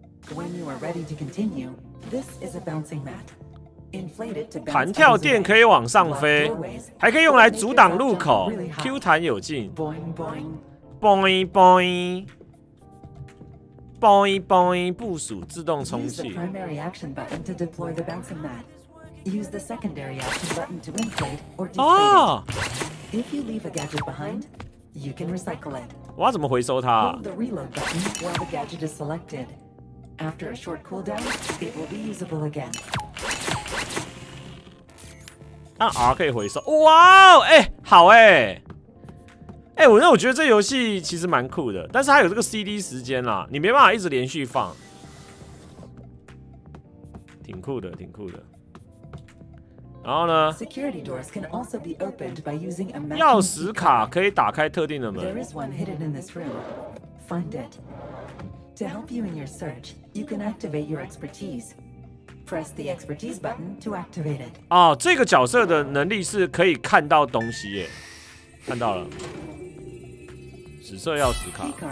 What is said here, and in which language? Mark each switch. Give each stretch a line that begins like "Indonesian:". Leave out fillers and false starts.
English: When you are ready to continue, this is a bouncing mat. Inflated to bounce.
Chinese: 弹跳垫可以往上飞，还可以用来阻挡入口。 Q 弹有劲。Boing boing. Boing boing. 嘣一嘣一，部署自动充气。
English: Use the primary action button to deploy the bouncing mat. Use the secondary action button to inflate or deflate. If you leave a gadget behind, you can recycle it.
Chinese: 我要怎么回收它？
English: Hold the reload button while the gadget is selected. After a short cooldown, it will be usable again.
Chinese: 按 R 可以回收。哇哦，哎，好哎。哎、欸，我觉得这游戏其实蛮酷的，但是它有这个 CD 时间啦，你没办法一直连续放，挺酷的，挺酷的。然后呢？
English: Security doors can also be opened by using a
Chinese: magic. 钥匙卡可以打开特定的门。
English: There is one hidden in this room. Find it. To help you in your search, you can activate your expertise. Press the expertise button to activate it.
Chinese: 哦，这个角色的能力是可以看到东西耶，看到了。紫色钥匙卡。